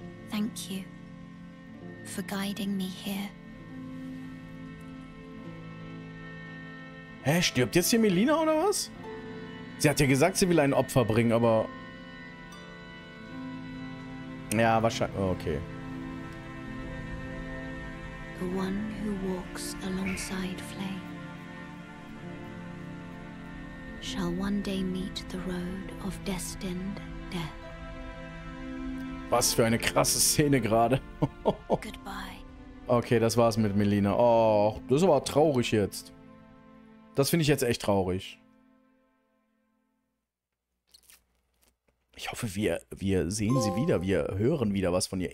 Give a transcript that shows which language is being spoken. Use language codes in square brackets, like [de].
[en] thank you for guiding me here. [de] Hä, stirbt jetzt hier Melina oder was? Sie hat ja gesagt, sie will ein Opfer bringen, aber... Ja, wahrscheinlich... Okay. [en] The one who walks alongside Flame shall one day meet the road of destined death. [de] Was für eine krasse Szene gerade. [en] Goodbye. [de] Okay, das war's mit Melina. Oh, das ist aber traurig jetzt. Das finde ich jetzt echt traurig. Ich hoffe, wir sehen sie wieder. Wir hören wieder was von ihr.